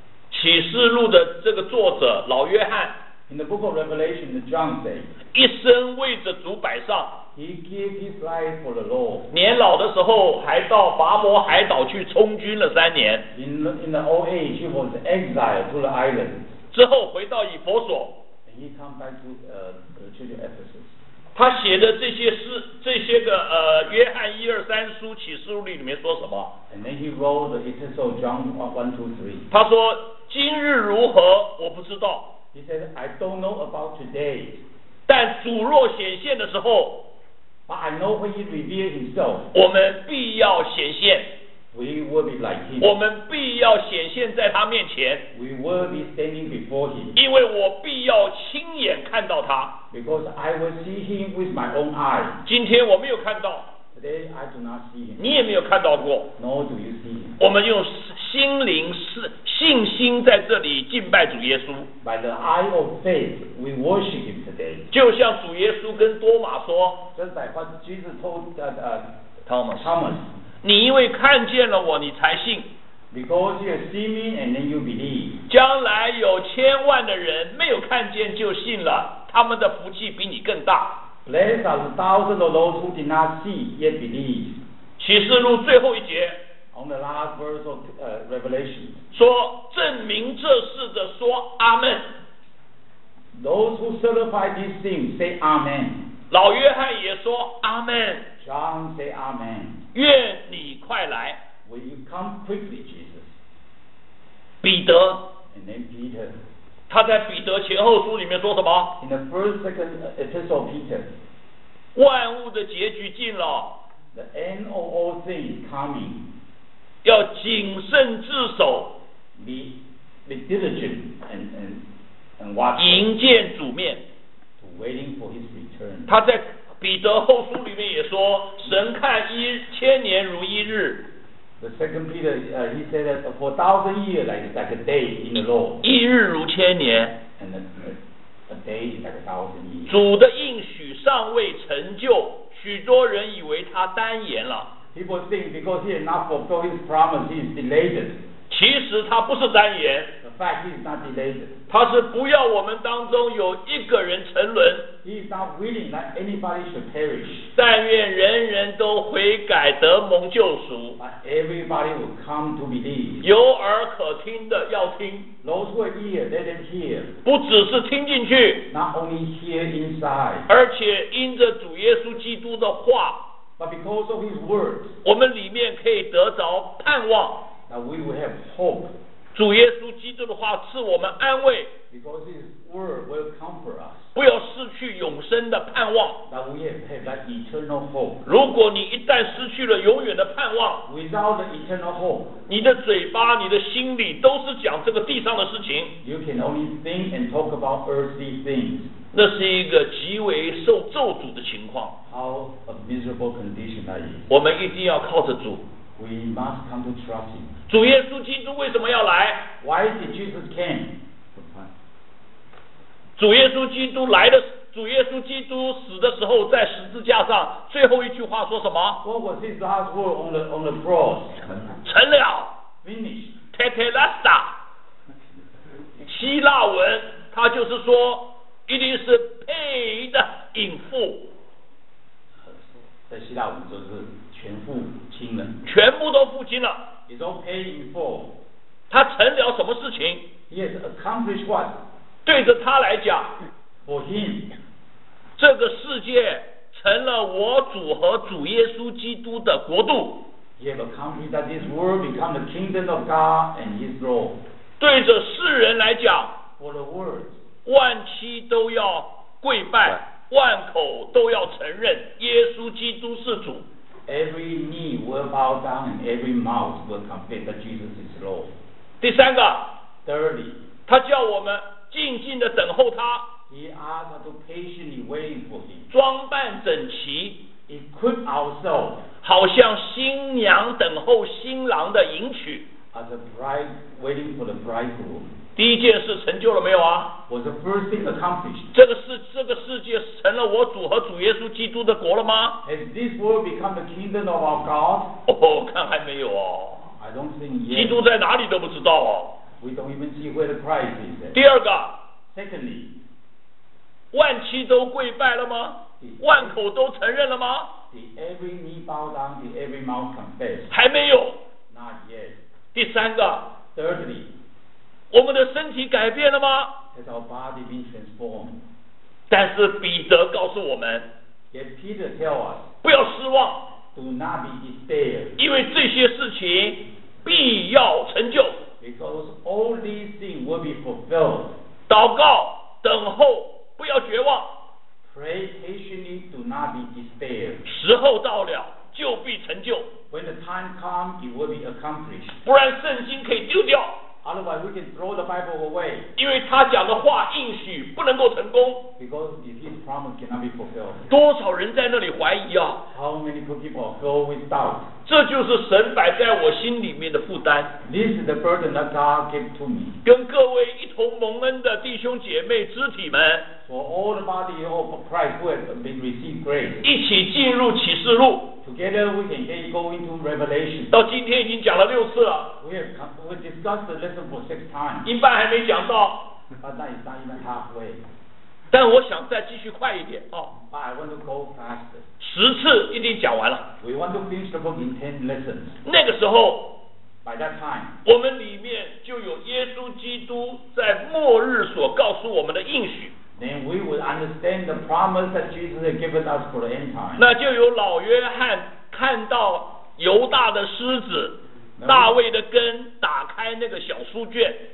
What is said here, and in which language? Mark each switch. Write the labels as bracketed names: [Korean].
[Chinese] 启示录的这个作者老约翰。 [English] In the book of Revelation, John said, [Chinese] 一生为着主摆上。 [English] He gave his life for the Lord. [Chinese] 年老的时候还到拔摩海岛去充军了三年。 [English] In the old age, he was exiled to the island. [Chinese] 之后回到以弗所。 [English] And he come back to Ephesus. [Chinese] 他写的这些诗，这些个约翰一二三书启示录里面说什么？ [English] And then he wrote the Epistle John 1-3. [Chinese] 他说今日如何，我不知道。 [English] He said, I don't know about today. [Chinese] 但主若显现的时候。 [English] But I know when he reveals himself. [Chinese] 我们必要显现。 [English] We will be like him. [Chinese] 我们必要显现在他面前。 [English] We will be standing before him. [Chinese] 因为我必要亲眼看到他。 [English] Because I will see him with my own eyes. [Chinese] 今天我没有看到。 [English] Today I do not see him. [Chinese] 你也没有看到过。 [English] Nor do you see him. [Chinese] 我们用心灵信心在这里敬拜主耶稣。 [English] By the eye of faith, we worship him today. [Chinese] 就像主耶稣跟多马说。 [English] Just like what Jesus told Thomas. Thomas. [Chinese] 你因为看见了我，你才信。 [English] Because you see me and then you believe. [Chinese] 将来有千万的人没有看见就信了，他们的福气比你更大。 [English] Blessed are the thousands of those who did not see yet believe. [Chinese] 启示录最后一节。 [English] On the last verse of Revelation. [Chinese] 说证明这事的说阿们。 [English] Those who certify these things say amen. [Chinese] 老约翰也说阿们。 [English] John say amen. [Chinese] 愿你快来。 [English] Will you come quickly, Jesus? [Chinese] 彼得。 [English] And then Peter. [Chinese] 他在彼得前后书里面说什么 [English] ？In the first second epistle of Peter. [Chinese] 万物的结局近了。 [English] The end of all things is coming. [Chinese] 要谨慎自守。 [English] Be diligent and watch. [Chinese] 迎见主面。 [English] Waiting for his return. [Chinese] 他在彼得后书里面也说，神看一千年如一日。 [English] The second Peter, he said that for a thousand years, like a day in the Lord. [Chinese] 一日如千年。 [English] And a day is like a thousand years. [Chinese] 主的应许尚未成就，许多人以为他单言了。 [English] People think because he has not fulfilled his promise, he is delayed. [Chinese] 其实他不是单言。 [English] The fact he is not delayed. [Chinese] 他是不要我们当中有一个人沉沦。 [English] He is not willing that anybody should perish. [Chinese] 但愿人人都悔改得蒙救赎。 [English] Everybody will come to believe. [Chinese] 有耳可听的要听。 [English] Those who are ear, let them hear. [Chinese] 不只是听进去。 [English] Not only hear inside. [Chinese] 而且因着主耶稣基督的话。 [English] But because of his words. [Chinese] 我们里面可以得着盼望。 [English] That we will have hope. [Chinese] 主耶稣基督的话赐我们安慰。 [English] Because his word will comfort us. [Chinese] 不要失去永生的盼望。 [English] That we have that eternal hope. [Chinese] 如果你一旦失去了永远的盼望， [English] Without the eternal hope, [Chinese] 你的嘴巴、你的心里都是讲这个地上的事情。 [English] You can only think and talk about earthly things. [Chinese] 那是一个极为受咒诅的情况。 [English] How a miserable condition that is. [Chinese] 我们一定要靠着主。 [English] We must come to trust him. [Chinese] 主耶稣基督为什么要来？ [English] Why did Jesus come? [Chinese] 主耶稣基督来的，主耶稣基督死的时候在十字架上最后一句话说什么？ [English] What was his last word on the cross? [Chinese] 成了。 [English] Finished. Tetelesta. [Chinese] 希腊文，他就是说 [English] ，It is paid in full. [Chinese] 在希腊文就是全付清了。全部都付清了。 [English] It's all paid in full. [Chinese] 他成了什么事情 [English] ？He has accomplished what? [Chinese] 对着他来讲 [English] For him, [Chinese] 这个世界成了我主和主耶稣基督的国度 [English] He has accomplished that this world become the kingdom of God and his Lord [Chinese] 对着世人来讲 [English] For the world [Chinese] 万妻都要跪拜、 [English] right. [Chinese] 万口都要承认耶稣基督是主 [English] Every knee will bow down and every mouth will confess that Jesus is Lord [Chinese] 第三个 [English] Thirdly [Chinese] 他叫我们静静地等候他 [English] He asked to patiently wait for him. [Chinese] 装扮整齐 [English] Equip ourselves. [Chinese] 好像新娘等候新郎的迎娶 [English] As a bride waiting for the bridegroom. [Chinese] 第一件事成就了没有啊 [English] Was the first thing accomplished? [Chinese] 这个世界成了我主和主耶稣基督的国了吗 [English] Has this world become the kingdom of our God? [Chinese] 哦，看还没有哦 [English] I don't think yet. [Chinese] 基督在哪里都不知道哦 [English] We don't even see where the Christ is. [Chinese] 第二个 [English] Secondly, [Chinese] 万妻都跪拜了吗？万口都承认了吗 [English] ？Did every knee bow down? Did every mouth confess? [Chinese] 还没有。 [English] Not yet. [Chinese] 第三个 [English] Thirdly, [Chinese] 我们的身体改变了吗 [English] ？Has our body been transformed? [Chinese] 但是彼得告诉我们 [English] ，Yet Peter tell us, [Chinese] 不要失望 [English] ，Do not be despair, [Chinese] 因为这些事情必要成就。 [English] Because all these things will be fulfilled. [Chinese] 祷告，等候，不要绝望。 [English] Pray patiently, do not be despair. [Chinese] 时候到了，就必成就。 [English] When the time comes, it will be accomplished. [Chinese] 不然圣经可以丢掉。 [English] Otherwise, we can throw the Bible away. [Chinese] 因为他讲的话应许不能够成功。 [English] Because his promise cannot be fulfilled. [Chinese] 多少人在那里怀疑啊 [English] ？How many people go with doubt? [Chinese] 这就是神摆在我心里面的负担。 [English] This is the burden that God gave to me. [Chinese] 跟各位一同蒙恩的弟兄姐妹、肢体们 [English] ，For all the body of Christ who have been received grace, [Chinese] 一起进入启示录。 [English] Together we can go into Revelation. [Chinese] 到今天已经讲了六次了。 [English] We discussed the lesson for six times. [Chinese] 一半还没讲到。 [English] But that is not even halfway. [Chinese] 但我想再继续快一点哦。 [English] But I want to go faster. [Chinese] 十次一定讲完了。 [English] We want to finish the book in 10 lessons. [Chinese] 那个时候 [English] ，By that time, [Chinese] 我们里面就有耶稣基督在末日所告诉我们的应许。 [English] Then we would understand the promise that Jesus had given us for the end time. [Chinese] 那就有老约翰看到犹大的狮子，大卫的根打开那个小书卷。